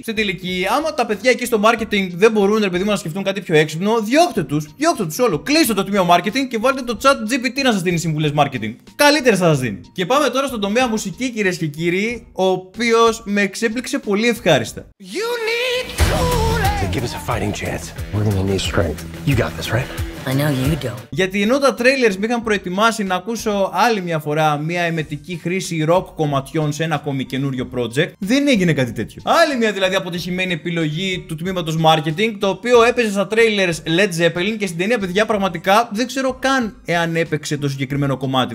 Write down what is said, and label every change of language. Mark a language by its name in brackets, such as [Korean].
[Greek] Στην τελική, άμα τα παιδιά εκεί στο μάρκετινγκ δεν μπορούν, ρε παιδί μου, να σκεφτούν κάτι πιο έξυπνο, διώχτε τους όλο. Κλείστε το τμήμα μάρκετινγκ και βάλτε το chat GPT να σας δίνει συμβουλές μάρκετινγκ. Καλύτερες θα σας δίνει. Και πάμε τώρα στον τομέα μουσική, κυρίες και κύριοι, ο οποίος με εξέπληξε πολύ ευχάριστα. [English] You need to... Give us a fighting chance. We're gonna need strength. You got this, right? I know you don't. [Greek] Γιατί ενώ τα trailers με είχαν προετοιμάσει να ακούσω άλλη μια φορά μια εμετική χρήση rock κομματιών σε ένα ακόμη καινούριο project, δεν έγινε κάτι τέτοιο. Άλλη μια δηλαδή αποτυχημένη επιλογή του τμήματος marketing, το οποίο έπαιζε στα trailers Led Zeppelin και στην ταινία, παιδιά, πραγματικά δεν ξέρω καν εάν έπαιξε το συγκεκριμένο κομμάτι.